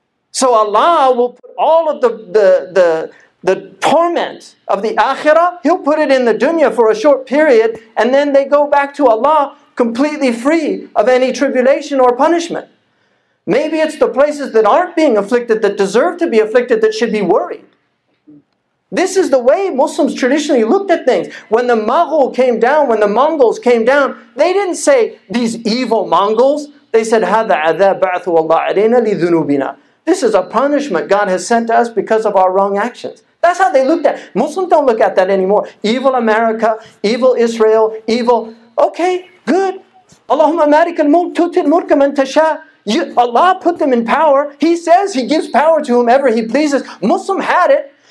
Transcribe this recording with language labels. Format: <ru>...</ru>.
<en>So Allah will put all of the torment of the akhirah, He'll put it in the dunya for a short period, and then they go back to Allah completely free of any tribulation or punishment. Maybe it's the places that aren't being afflicted, that deserve to be afflicted, that should be worried. This is the way Muslims traditionally looked at things. When the Mughal came down, when the Mongols came down, they didn't say, these evil Mongols. They said,</en> <ar>هَذَا عَذَابَ بَعْثُ اللَّهُ عَلَيْنَا لِذُنُوبِنَا.</ar> <en>This is a punishment God has sent to us because of our wrong actions. That's how they looked at it. Muslims don't look at that anymore. Evil America, evil Israel, evil. Okay, good.</en> <ar>Allahumma malik al-mulk tu'til mulka man tasha.</ar> <en>Allah put them in power. He says He gives power to whomever He pleases. Muslim had it.</en>